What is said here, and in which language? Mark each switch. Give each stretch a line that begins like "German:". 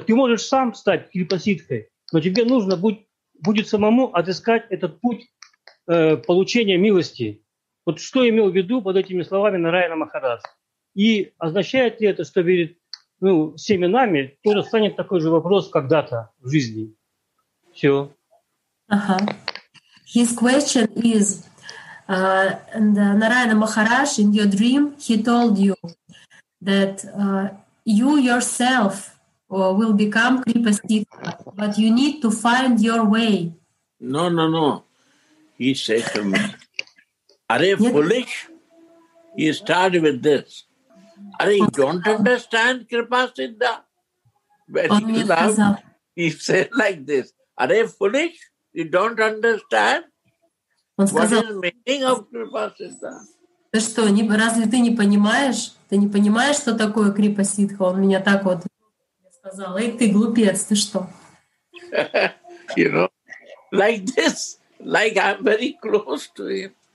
Russian: Ты можешь сам стать крипаситхой, но тебе нужно будет самому отыскать этот путь получения милости. Вот что имел в виду под этими словами Нараяна Махарадж? И означает ли это, что перед всеми нами тоже станет такой же вопрос когда-то в жизни? Все. Uh-huh.
English: His question is, Narayana Maharaj, in your dream, he told you that you yourself will become Kripa Siddha, but you need to find your way. No. He said to me, are you foolish? He started with this. Are you don't understand Kripa Siddha? He said like this, are you foolish? You don't understand what is the meaning of Kripa Siddha.
Russian: Ты что, не, разве ты не понимаешь? Ты не понимаешь, что такое Крипа Сиддха? Он меня так вот сказал. Эй, ты глупец, ты что?
English: You know, like this, like I'm very close to him.